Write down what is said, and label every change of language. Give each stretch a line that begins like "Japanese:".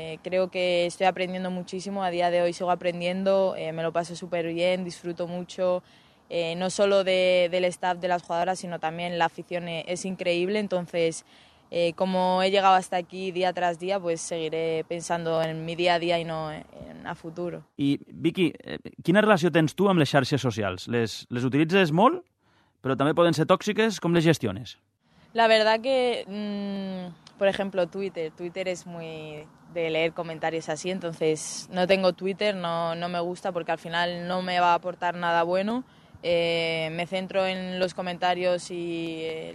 Spanish: Creo que estoy aprendiendo muchísimo. A día de hoy sigo aprendiendo. Me lo paso súper bien, disfruto mucho. No solo del staff de las jugadoras, sino también la afición es increíble. Entonces... como he llegado hasta aquí día tras día, pues seguiré pensando en mi día a día y no en a futuro.
Catalan: I, Vicky, quina relació tens tu amb les xarxes socials? Les utilitzes molt, però també poden ser tòxiques. Com les gestiones?
Spanish: La verdad que, por ejemplo, Twitter. Twitter es muy de leer comentarios así, entonces no tengo Twitter, no me gusta porque al final no me va a aportar nada bueno. Me centro en los comentarios y...